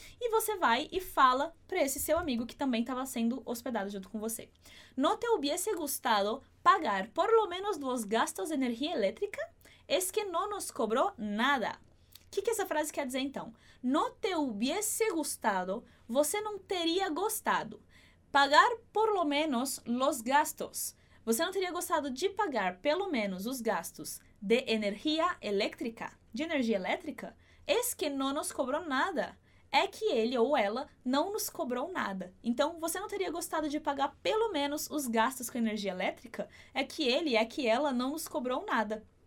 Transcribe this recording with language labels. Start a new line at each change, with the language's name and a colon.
Portuguese: E você vai e fala pra esse seu amigo que também tava sendo hospedado junto com você:
Spanish: no te hubiese gustado pagar por lo menos los gastos de energía eléctrica? Es que no nos cobró nada.
Portuguese: Que essa frase quer dizer, então?
Spanish: No te hubiese gustado,
Portuguese: você não teria gostado.
Spanish: Pagar por lo menos los gastos.
Portuguese: Você não teria gostado de pagar pelo menos os gastos de energia elétrica. De energia elétrica?
Spanish: Es que no nos
Portuguese: cobrou nada. É que ele ou ela não nos cobrou nada. Então, você não teria gostado de pagar pelo menos os gastos com energia elétrica? É que ele, é que ela não nos cobrou nada.